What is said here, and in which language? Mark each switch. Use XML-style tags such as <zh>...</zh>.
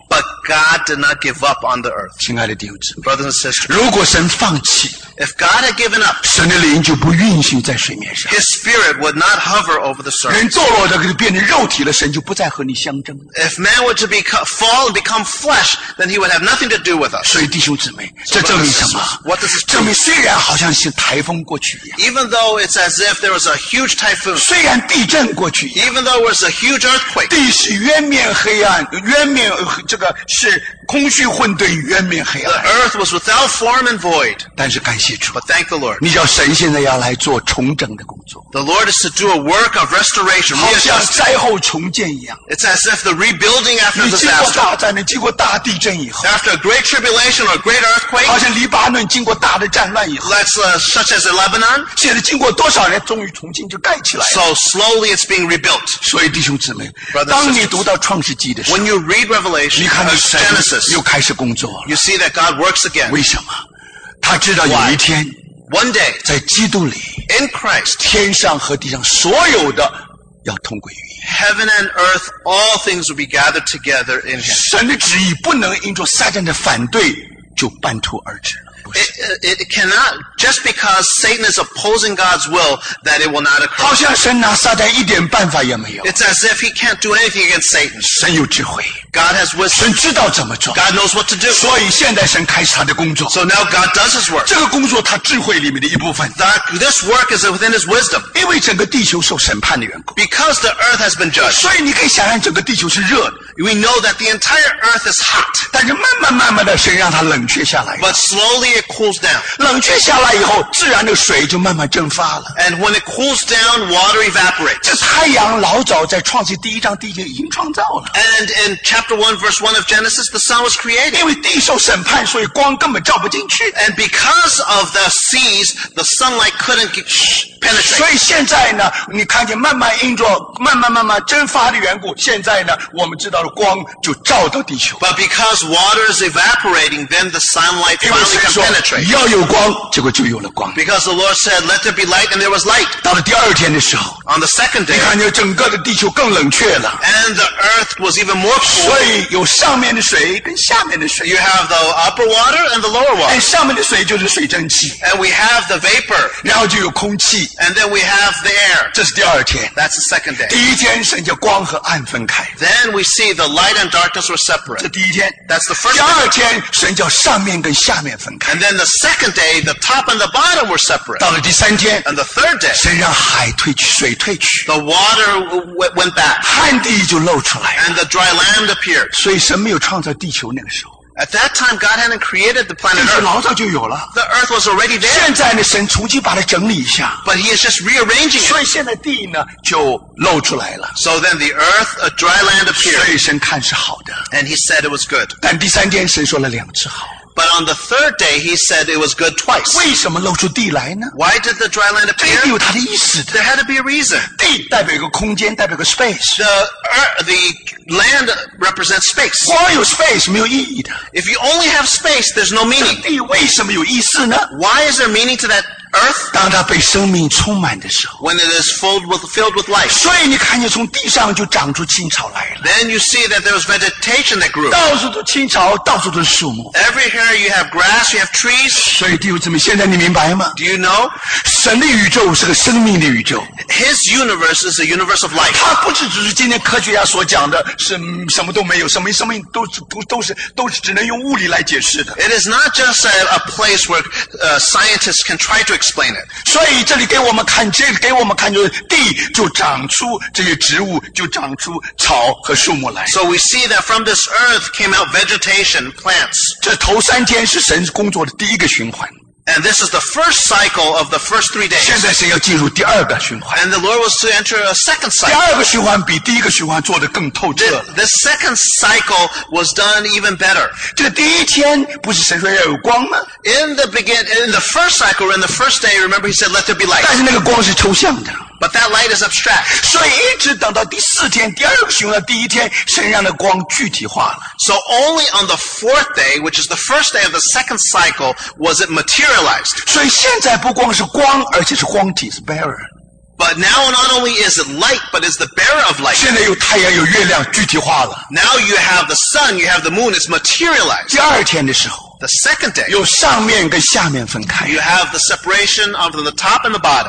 <en>But God did not give up on the earth.</en> <zh>亲爱的弟兄姊妹。</zh> <en>Brothers and sisters.</en> <zh>如果神放弃。</zh> <en>If God had given up.</en> <zh>神的灵就不运行在水面上。</zh> <en>His Spirit would not hover over the surface.</en> <zh>人堕落的就变成肉体了，神就不再和你相争。</zh> <en>If man were to fall and become flesh, then he would have nothing to do with us.</en> <zh>所以弟兄姊妹，这证明什么？</zh> <en>What does this mean?</en> <zh>证明虽然好像是台风过去一样。</zh> <en>Even though it's as if there was a huge typhoon.</en> <zh>虽然地震过去一样。</zh> <en>Even though it was a huge earthquake.</en> <zh>地是渊面黑暗，渊面这个是空虚混沌，渊面黑暗。</zh> <en>The earth was without form and void.</en> <zh>但是感谢主。</zh> <en>But thank the Lord.</en> <zh>你叫神现在要来做重整的工作。</zh> <en>The Lord is to do a work of restoration.</en> <zh>好像灾后重建一样。</zh> <en>It's as if the rebuilding after the disaster.</en> <zh>你经过大灾难，经过大地震以后。</zh> <en>After a great tribulation or a great earthquake.</en> <zh>好像黎巴嫩经过大的战乱以后。</zh> <en>Such as Lebanon.</en> <zh>现在经过多少年，终于重新就盖起来了。</zh> <en>So slowly it's being rebuilt.</en> <zh>所以弟兄姊妹，当你读到创世纪的时候。</zh> <en>When you read Revelation.</en> <zh>你看到神。又开始工作了。</zh> <en>You see that God works again.</en> <zh>为什么？他知道有一天，</zh> <en>Why? One day,</en> <zh>在基督里，</zh> <en>in Christ,</en> <zh>天上和地上所有的要同归于一。</zh> <en>Heaven and earth, all things will be gathered together in Him.</en> <zh>神的旨意不能因着撒旦的反对就半途而止了。</zh> <en>It cannot just because Satan is opposing God's will that it will not occur.</en> <zh>好像神拿撒旦一点办法也没有。</zh> <en>It's as if he can't do anything against Satan.</en> <zh>神有智慧。</zh> <en>God has wisdom.</en> <zh>神知道怎么做。</zh> <en>God knows what to do.</en> <zh>所以现在神开始他的工作。</zh> <en>So now God does his work.</en> <zh>这个工作他智慧里面的一部分。</zh> <en>This work is within his wisdom.</en> <zh>因为整个地球受审判的缘故。</zh> <en>Because the earth has been judged.</en> <zh>所以你可以想象整个地球是热的。</zh> <en>We know that the entire earth is hot.</en> <zh>但是慢慢慢慢的神让它冷却下来。</zh> <en>But slowly it cools down.</en> <zh>冷却下来以后，自然的水就慢慢蒸发了。</zh> <en>And when it cools down, water evaporates.</en> <zh>这太阳老早在创世第一章地就已经创造了。</zh> <en>And in chapter 1, verse 1 of Genesis, the sun was created.</en> <zh>因为地受审判，所以光根本照不进去。</zh> <en>And because of the seas, the sunlight couldn't penetrate.</en> <zh>所以现在呢，你看见慢慢因着慢慢慢慢蒸发的缘故，现在呢，我们知道了光就照到地球。</zh> <en>But because water is evaporating, then the sunlight finally comes.</en> <zh>要有光，结果就有了光。</zh> <en>Because the Lord said, "Let there be light," and there was light.</en> <zh>到了第二天的时候</zh> <en>，On the second day,</en> <zh>你看见整个的地球更冷却了。</zh> <en>And the earth was even more cool.</en> <zh>所以有上面的水跟下面的水。</zh> <en>You have the upper water and the lower water. And</en> <zh>上面的水就是水蒸气。</zh> <en>And we have the vapor.</en> <zh>然后就有空气。</zh> <en>And then we have the air.</en> <zh>这是第二天。</zh> <en>That's the second day.</en> <zh>第一天神叫光和暗分开。</zh> <en>Then we see the light and darkness were separate.</en> <zh>这第一天。</zh> <en>That's the first day.</en> <zh>第二天神叫上面跟下面分开。</zh> <en>And then the second day, the top and the bottom were separate.</en> <zh>到了第三天。</zh> <en>And the third day,</en> <zh>神让海退去，水退去。</zh> <en>The water went back.</en> <zh>旱地就露出来。</zh> <en>And the dry land appeared.</en> <zh>所以神没有创造地球那个时候。</zh> <en>At that time, God hadn't created the planet Earth. The Earth was already there.</en> <zh>现在呢，神重新把它整理一下。</zh> <en>But He is just rearranging it.</en> <zh>所以现在地呢，就露出来了。</zh> <en>So then the Earth, a dry land appeared.</en> <zh>所以神看是好的。</zh> <en>And He said it was good.</en> <zh>但第三天，神说了两次好。</zh> <en>But on the third day, he said it was good twice.</en> <zh>为什么露出地来呢?</zh> <en>Why did the dry land appear?</en> <zh>这有它的意思的。</zh> <en>There had to be a reason.</en> <zh>地代表一个空间，代表个 space.</zh> <en>The land represents space.</en> <zh>光有 space, 没有意义的。</zh> <en>If you only have space, there's no meaning.</en> <zh>这地为什么有意思呢?</zh> <en>Why is there meaning to that? Earth,</en> <zh>当它被生命充满的时候</zh> <en>when it is filled with life.</en> <zh>所以你看见从地上就长出青草来了</zh> <en>then you see that there was vegetation that grew</en> <zh>到处都青草到处都是树木</zh> <en>everywhere you have grass, you have trees</en> <zh>所以弟兄姊妹现在你明白吗</zh> <en>do you know</en> <zh>神的宇宙是个生命的宇宙</zh> <en>his universe is a universe of life</en> <zh>它不是只是今天科学家所讲的是什么都没有什么都是只能用物理来解释的</zh> <en>it is not just a place where scientists can try to</en> <zh>所以这里给我们看，这里给我们看，就是地就长出这些植物，就长出草和树木来。</zh> <en>So we see that from this earth came out vegetation, plants.</en> <zh>这头三天是神工作的第一个循环。</zh> <en>And this is the first cycle of the first three days.</en> <zh>现在神要进入第二个循环。</zh> <en>And the Lord was to enter a second cycle.</en> <zh>第二个循环比第一个循环做得更透彻。</zh> <en>The second cycle was done even better.</en> <zh>这第一天不是神说要有光吗?</zh> <en>In the first day, remember he said, let there be light.</en> <zh>但是那个光是抽象的。</zh> <en>But that light is abstract.</en> <zh>所以一直等到第四天第二个循环第一天神让的光具体化了。</zh> <en>So only on the fourth day, which is the first day of the second cycle, was it materialized.</en> <zh>所以现在不光是光而且是光体是 bearer。</zh> <en>But now not only is it light, but it's the bearer of light.</en> <zh>现在有太阳有月亮具体化了。</zh> <en>Now you have the sun, you have the moon, it's materialized.</en> <zh>第二天的时候</zh> <en>The second day,</en> <zh>有上面跟下面分开。</zh> <en>You have the separation of the top and the bottom.</en>